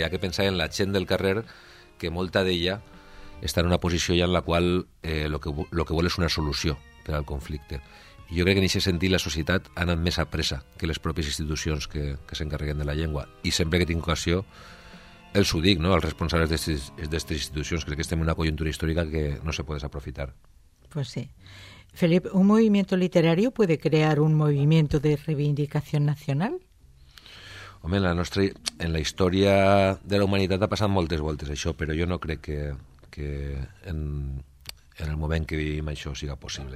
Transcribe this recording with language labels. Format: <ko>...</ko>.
<ca>Hi ha que pensar en la gent del carrer, que molta d'ella està en una posició ja en la qual lo que vol és una solució per al conflicte. I jo crec que en aquest sentit la societat ha anat més a pressa que les pròpies institucions que s'encarreguen de la llengua. I sempre que tinc ocasió els ho dic, no?, als responsables d'aquestes institucions. Crec que estem en una conjuntura històrica que no se pot desaprofitar.</ca> <es>Pues sí. Felip, ¿un movimiento literario puede crear un movimiento de reivindicación nacional?</es> <ca>Home, en la història de la humanitat ha passat moltes voltes això, però jo no crec que en el moment que vivim això siga possible.</ca>